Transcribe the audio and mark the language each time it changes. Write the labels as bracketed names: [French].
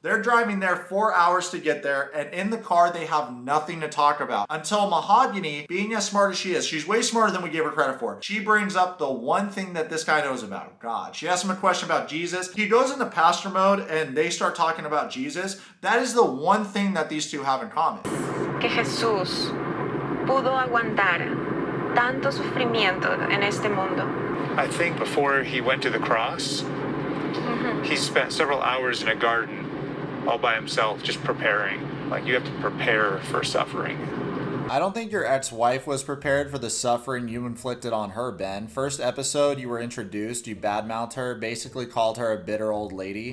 [English] They're driving there 4 hours to get there, and in the car, they have nothing to talk about. Until Mahogany, being as smart as she is, she's way smarter than we gave her credit for. She brings up the one thing that this guy knows about, God. She asks him a question about Jesus. He goes into pastor mode, and they start talking about Jesus. That is the one thing that these two have in common. [Spanish] Que Jesús pudo aguantar tanto sufrimiento en este mundo. [English] I think before he went to the cross, he spent several hours in a garden all by himself just preparing. Like, you have to prepare for suffering. I don't think your ex-wife was prepared for the suffering you inflicted on her, Ben. First episode, you were introduced, you badmouthed her, basically called her a bitter old lady.